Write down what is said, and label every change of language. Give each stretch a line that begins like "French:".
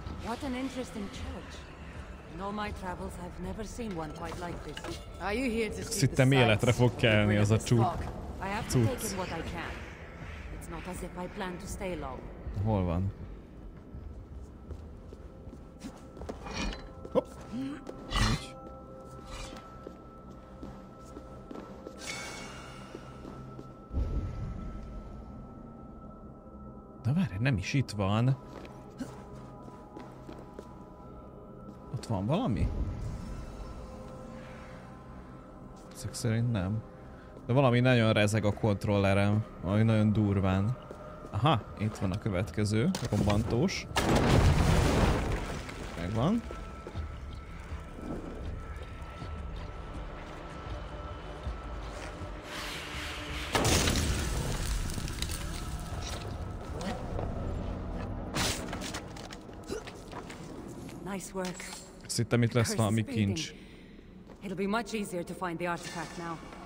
English: What an interesting church. In all my travels I've never seen one quite like this. Are you here to see?
Hungarian: Szerintem életre fog kelni az a csúk.
English: I have to take what I can. It's not as if I plan to stay long.
Hungarian: Hol van? Hopp! Na várj, nem is itt van. Ott van valami? Ezek szerint nem. De valami nagyon rezeg a kontrollerem. Valami nagyon durván. Aha, itt van a következő. Robbantós. Megvan. Azt hittem, itt lesz valami kincs.
English: It'll be much easier to find the artifact now.